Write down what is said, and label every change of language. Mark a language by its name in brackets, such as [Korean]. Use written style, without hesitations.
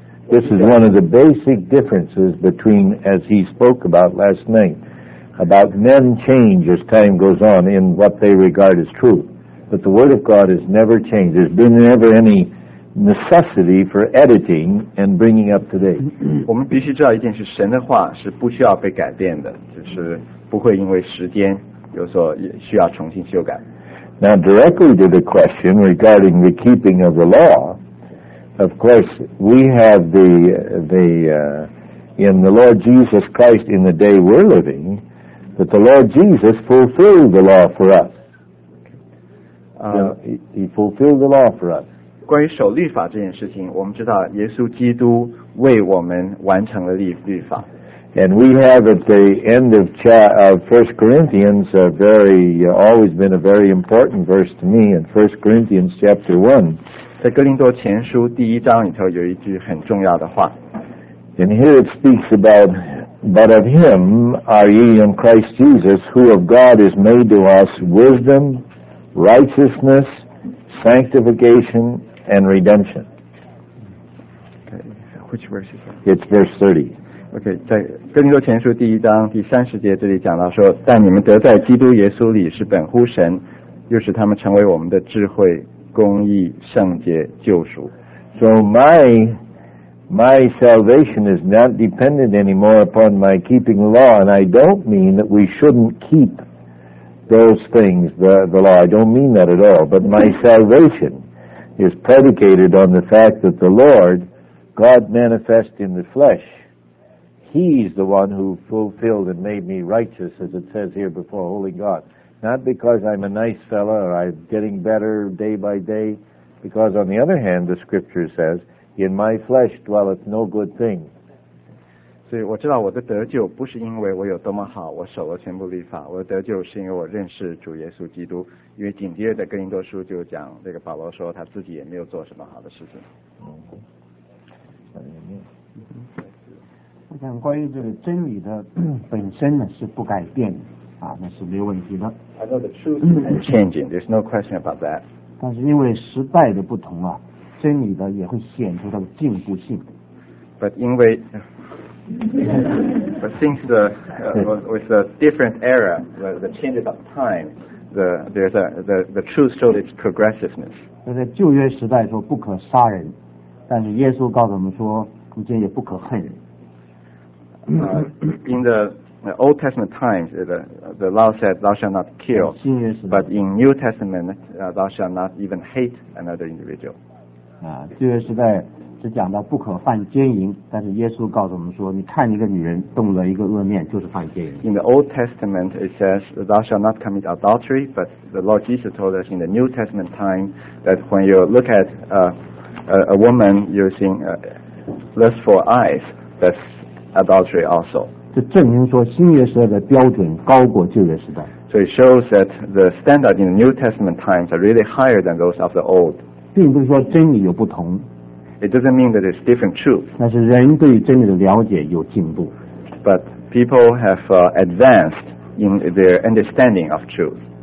[English] This is one of the basic differences between as he spoke about last night about men change as time goes on in what they regard as truth. But the word of God has never changed. There's been never any necessity for editing and bringing up today. [Chinese] 我们必须知道一件事，神的话是不需要被改变的，就是不会因为时间有所需要重新修改。 [English] Now directly to the question regarding the keeping of the law, of course we have in the Lord Jesus Christ in the day we're living, that the Lord Jesus fulfilled the law for us. He fulfilled the law for us. [Chinese] 关于守律法这件事情，我们知道耶稣基督为我们完成了律法。 [English] And we have at the end of First Corinthians a very always been a very important verse to me in First Corinthians chapter 1. [Chinese] 在哥林多前书第一章里头有一句很重要的话。 [English] And here it speaks about, but of him are ye in Christ Jesus, who of God is made to us wisdom. Righteousness, sanctification, and redemption. Okay. Which verse is that? It's verse 30. [Chinese] OK， 在哥林多前书第一章第三十节这里讲到说，但你们得在基督耶稣里是本乎神，又使他们成为我们的智慧、公义、圣洁、救赎。 [English] So my salvation is not dependent anymore upon my keeping law, and I don't mean that we shouldn't keep those things, the law. I don't mean that at all. But my salvation is predicated on the fact that the Lord, God manifest in the flesh, He's the one who fulfilled and made me righteous, as it says here before, Holy God. Not because I'm a nice fella or I'm getting better day by day, because on the other hand, the scripture says, In my flesh dwelleth no good thing. [Chinese] 所以我知道我的得救不是因为我有多么好，我守了全部律法。我的得救是因为我认识主耶稣基督。因为紧接着的哥林多书就讲，这个保罗说他自己也没有做什么好的事情。我想关于这个真理的本身呢是不改变的啊，那是没有问题的。 [English] I know the truth is changing. There's no question about that. [Chinese] 但是因为时代的不同啊。真理的也会显出它的进步性。 [English] But [Chinese] 因为 [English] but since the with a different era, the changes of time, the truth showed its progressiveness. [Chinese] 在旧约时代说不可杀人，但是耶稣告诉我们说，中间也不可恨人。 [English] In the Old Testament times, the law said, "Thou shalt not kill." [Chinese] 新约时代 [English] but in New Testament, "Thou shalt not even hate another individual." [Chinese] 啊，旧约时代只讲到不可犯奸淫，但是耶稣告诉我们说，你看一个女人动了一个恶念，就是犯奸淫。 [English] In the Old Testament, it says thou shalt not commit adultery, but the Lord Jesus told us in the New Testament time that when you look at a woman using lustful eyes, that's adultery also. [Chinese] 这证明说新约时代的标准高过旧约时代。 [English] So it shows that the standard in the New Testament times are really higher than those of the old. [Chinese] 并不是说真理有不同 [English] It doesn't mean that it's different truth [Chinese] 但是人对真理的了解有进步 [English] But people have advanced in their understanding of truth